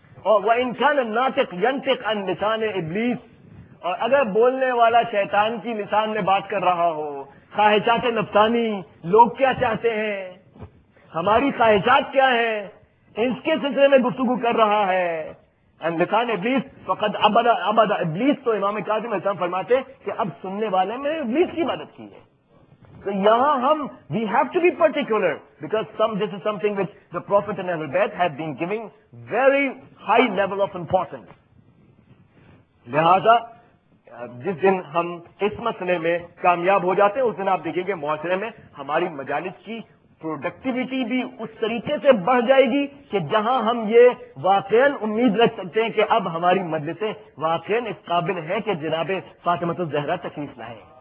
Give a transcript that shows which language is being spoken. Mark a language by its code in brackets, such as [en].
[ur] اور وہ انسان [ar] الناطق ينطق عن لسان ابلیس، [ur] اور اگر بولنے والا شیطان کی لسان میں بات کر رہا ہو، خواہشات نفسانی، لوگ کیا چاہتے ہیں، ہماری خواہشات کیا ہیں، اس کے سلسلے میں گفتگو کر رہا ہے، [ar] لسان ابلیس فقد عبد ابلیس، [ur] تو امام کاظم علیہ السلام فرماتے کہ اب سننے والے میں ابلیس کی عبادت کی ہے. [en] تو یہاں ہم we have to be particular, because this is something which the prophet and اہل بیت have been giving very high level of importance. [ur] لہذا جس دن ہم اس مسئلے میں کامیاب ہو جاتے ہیں، اس دن آپ دیکھیں گے معاشرے میں ہماری مجالس کی پروڈکٹیویٹی بھی اس طریقے سے بڑھ جائے گی کہ جہاں ہم یہ واقعاً امید رکھ سکتے ہیں کہ اب ہماری مجلسیں واقعاً اس قابل ہیں کہ جناب فاطمۃ الزہرا تشریف لائیں.